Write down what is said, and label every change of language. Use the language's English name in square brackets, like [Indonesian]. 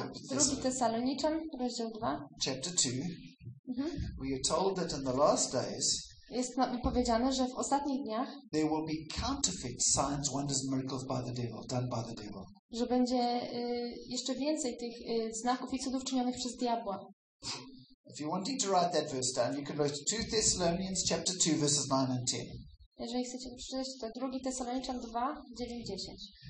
[Polish] Drugi Tesaloniczan, rozdział 2. [English] Chapter 2. Mm-hmm. We are told that in the last days. [Polish] Jest nam powiedziane, że w ostatnich dniach. [English] There will be counterfeit signs, wonders, and miracles by the devil, done by the devil. [Polish] Że będzie jeszcze więcej tych znaków i cudów czynionych przez diabła. [English] If you're wanting to write that verse down, you can go to 2 Thessalonians chapter 2, verses 9 and 10. [Polish] Jeżeli chcecie przeczytać, to drugi Tesaloniczan 2, 9 i 10.